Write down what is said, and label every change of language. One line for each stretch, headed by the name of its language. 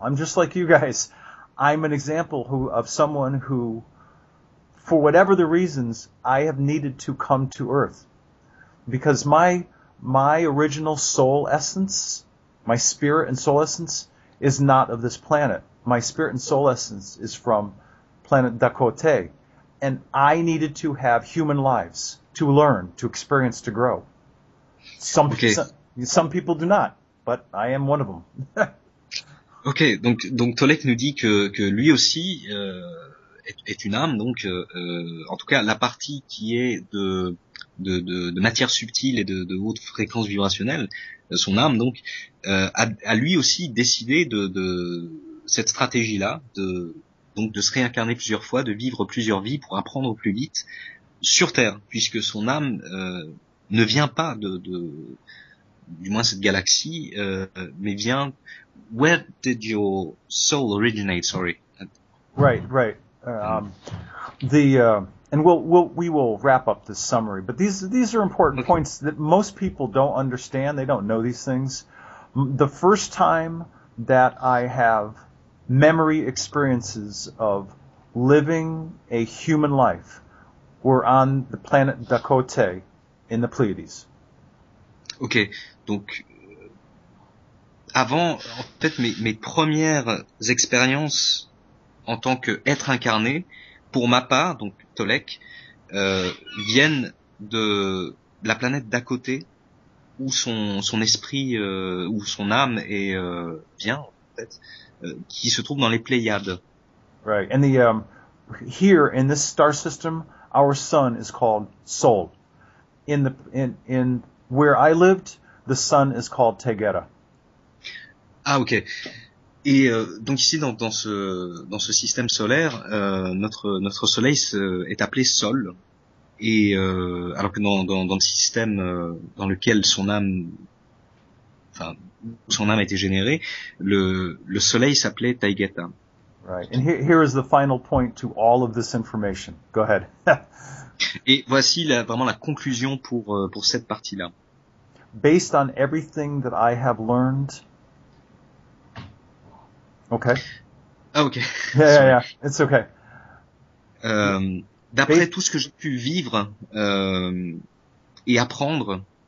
English: I'm just like you guys. I'm an example of someone who, for whatever the reasons, I have needed to come to Earth, because my original soul essence, my spirit and soul essence, is not of this planet. My spirit and soul essence is from planet Dakota. And I needed to have human lives to learn, to experience, to grow. Some people do not, but I am one of them.
French: Ok, donc Tolek nous dit que lui aussi est une âme, donc en tout cas la partie qui est de matière subtile et de haute fréquence vibrationnelle, son âme donc a lui aussi décidé de cette stratégie là de donc de se réincarner plusieurs fois, de vivre plusieurs vies pour apprendre plus vite sur Terre, puisque son âme ne vient pas de du moins cette galaxie, mais vient...
English: Where did your soul originate, sorry? Right, right. We will wrap up this summary, but these are important points that most people don't understand. They don't know these things. The first time that I have memory experiences of living a human life were on the planet Dakota in the Pleiades.
French: Ok, donc avant, en fait, mes premières expériences en tant qu'être incarné, pour ma part, donc Tolek, viennent de la planète d'à côté où son esprit, où son âme est vient, en fait, qui se trouve dans les Pléiades.
English: Right, and the here in this star system, our sun is called Sol. In where I lived, the sun is called Tegera.
French: Ah, ok. Et donc ici, dans ce système solaire, notre soleil est appelé Sol. Et alors que dans le système dans lequel son âme a été générée, le soleil s'appelait Taigeta.
English: Right. And here is the final point to all of this information. Go ahead.
French: Et voici vraiment la conclusion pour cette partie-là.
English: Based on everything that I have learned. Okay. Ah, okay. Yeah. It's okay.
French: D'après tout ce que j'ai pu vivre et apprendre.